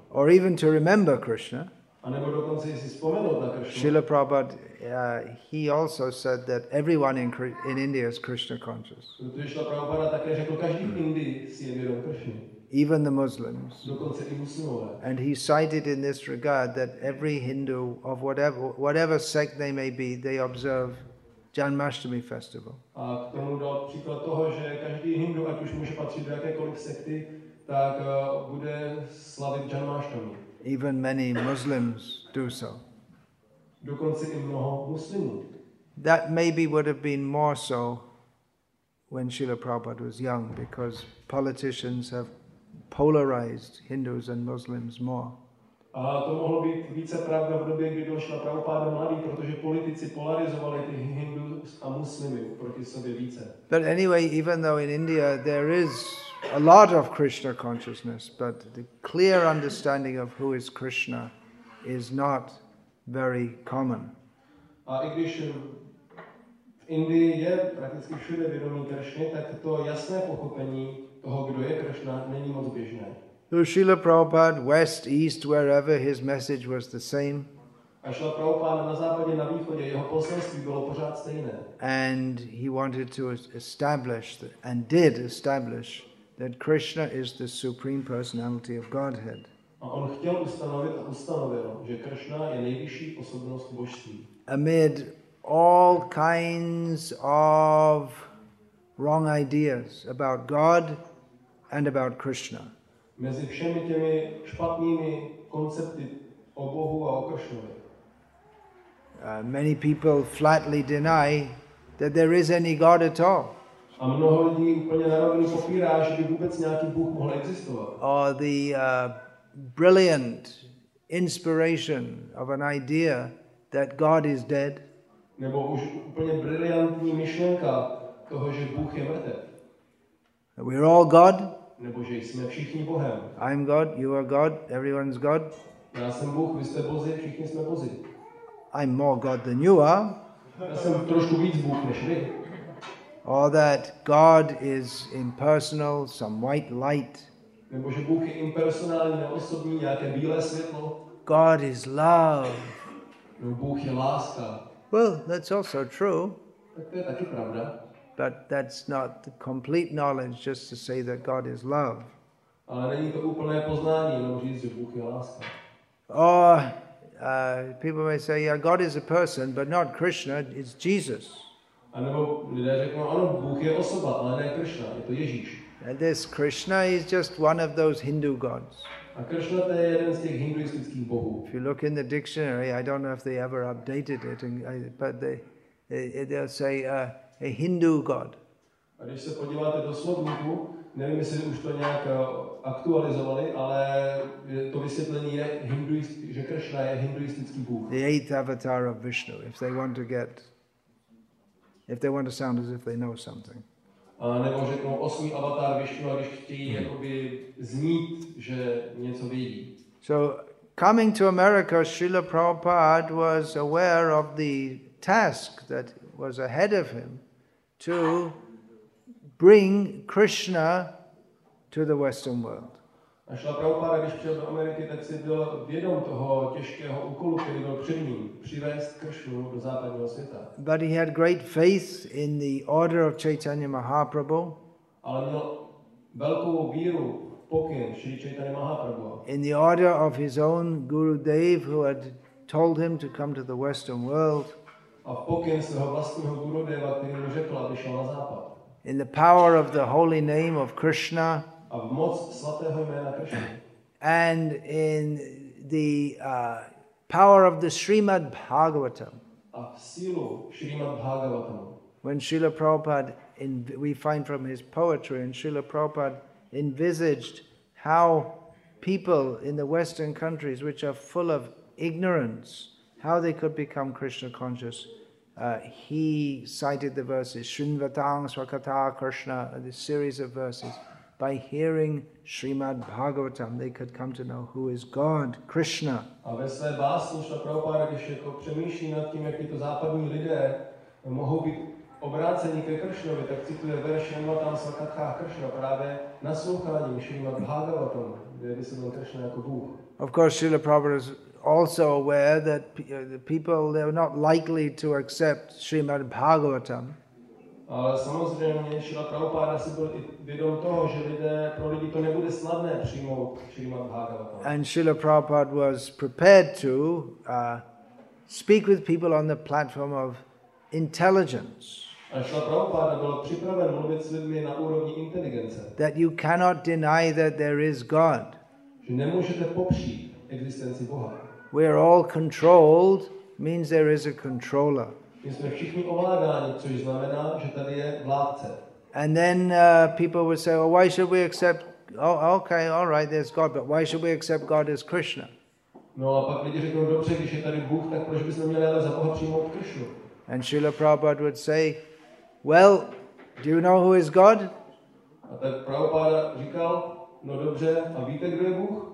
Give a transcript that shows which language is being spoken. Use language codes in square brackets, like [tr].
[en] Or even to remember Krishna. [cs] A nebo dokonce si vzpomenout na Krishnu. [en] Srila Prabhupada, he also said that everyone in India is Krishna conscious. [cs] Protože Srila Prabhupada také řekl, každý v Indii si je vědom Krishny. [en] Even the Muslims. [cs] Dokonce i muslimové. [en] And he cited in this regard that every Hindu of whatever sect they may be, they observe Janmashtami festival. [cs] A k tomu dal příklad toho, že každý Hindu, ať už může patřit do jakékoliv sekty, tak bude slavit Janmashtami. [en] Even many Muslims do so. [cs] Dokonce i mnoho muslimů. [en] That maybe would have been more so when Srila Prabhupada was young, because politicians have polarized Hindus and Muslims more. [cs] A to mohlo být více pravda v době, kdy došla Prabhupáda mladý, protože politici polarizovali ty Hindu a muslimy proti sobě více. [en] But anyway, even though in India there is a lot of Krishna consciousness, but the clear understanding of who is Krishna is not very common. [cs] A i když v Indii je prakticky všude vědomí Kršny, tak to jasné pochopení toho, kdo je Kršna, není moc běžné. [en] So Srila Prabhupada, west, east, wherever, his message was the same. [cs] A Srila Prabhupada na západě, na východě, jeho poselství bylo pořád stejné. [en] And he wanted to establish and did establish that Krishna is the Supreme Personality of Godhead. [cs] A on chtěl ustanovit a ustanovil, že Krishna je nejvyšší osobnost božství. [en] Amid all kinds of wrong ideas about God and about Krishna. [cs] Mezi všemi těmi špatnými koncepty o Bohu a o Krishnovi. [en] Many people flatly deny that there is any God at all. [cs] A mnoho lidí úplně na rovinu popírá, že by vůbec nějaký Bůh mohl existovat. [en] Or the brilliant inspiration of an idea that God is dead. [cs] Nebo už úplně brilliantní myšlenka toho, že Bůh je mrtev. [en] We are all God. [cs] Nebo že jsme všichni Bohem. [en] I'm God, you are God, everyone's God. [cs] Já jsem Bůh, vy jste Bozi, všichni jsme Bozi. [en] I'm more God than you are. [cs] Já jsem trošku víc Bůh než vy. [en] Or that God is impersonal, some white light. [cs] Nebo že Bůh je impersonální, neosobní, nějaké bílé světlo. [en] God is love. [cs] Nebo Bůh je láska. [en] Well, that's also true. [cs] Tak to je taky pravda. [en] But that's not the complete knowledge just to say that God is love. [cs] Ale není to úplné poznání, jenom říct, že Bůh je láska. [en] Or people may say, yeah, God is a person, but not Krishna, it's Jesus. [cs] A nebo lidé řeknou, ano, Bůh je osoba, ale ne Krishna, je to Ježíš. [en] And this Krishna is just one of those Hindu gods. [cs] A Krishna to je jeden z těch hinduistických bohů. [en] If you look in the dictionary, I don't know if they ever updated it, but they'll say a Hindu god. [cs] A když se podíváte do slovníku, nevím, jestli už to nějak aktualizovali, ale to vysvětlení je, že Krishna je hinduistický bůh. [en] The eighth avatar of Vishnu, if they want to get... If they want to sound as if they know something. [cs] Nebo řeknou osmý avatar Vishnu, a když chtějí jakoby znít, že něco vědí. [en] So, coming to America, Srila Prabhupada was aware of the task that was ahead of him to bring Krishna to the Western world. [cs] A Srila Prabhupada, když přijel do Ameriky, tak si byl vědom toho těžkého úkolu, který byl před ním, přivést Kršnu do západního světa. [en] But he had great faith in the order of Chaitanya Mahaprabhu. [cs] Ale měl velkou víru, pokyn Sri Chaitanya Mahaprabhu. [en] In the order of his own Guru Dev, who had told him to come to the Western world. [cs] A pokyn svého vlastního Guru Deva, který mu řekl, aby šel na západ. [en] In the power of the holy name of Krishna. [cs] A v moc svatého jména Krishna. [en] And in the power of the Srimad Bhagavatam. [cs] A v sílu Srimad Bhagavatam. [en] When Srila Prabhupada, we find from his poetry, and Srila Prabhupada envisaged how people in the Western countries, which are full of ignorance, how they could become Krishna conscious. He cited the verses, Srinvatang Swakata Krishna, this series of verses. By hearing Srimad Bhagavatam, they could come to know who is God, Krishna. [cs] A ve své básni Srila Prabhupada, když jako přemýšlí nad tím, jak tyto západní lidé mohou být obráceni ke Krishnovi, tak cituje verš Srinvatang Swakata Krishna, právě nasloucháním Srimad Bhagavatam, kde by se byl Krishna jako Bůh. [en] Of course, Srila Prabhupada is also aware that the people, they are not likely to accept Srimad Bhagavatam. [cs] Ale samozřejmě Srila Prabhupada si byl i vědom toho, že lidé, pro lidi to nebude snadné přijmout Srimad Bhagavatam. [en] And Srila Prabhupada was prepared to speak with people on the platform of intelligence. [cs] A Srila Prabhupada byl připraven mluvit s lidmi na úrovni inteligence. [en] That you cannot deny that there is God. [cs] Že nemůžete popřít existenci Boha. [en] We are all controlled means there is a controller. [cs] My jsme všichni ovládáni, což znamená, že tady je vládce. [en] And then people would say, oh, why should we accept? Oh, okay, all right, there's God, but why should we accept God as Krishna? [cs] No, a pak lidi řeknou, dobře, když je tady Bůh, tak proč bychom měli ale za Boha přijmout Krishnu? [en] And Srila Prabhupada would say, well, do you know who is God? [cs] A tak Prabhupada říkal, no dobře, a víte, kdo je Bůh?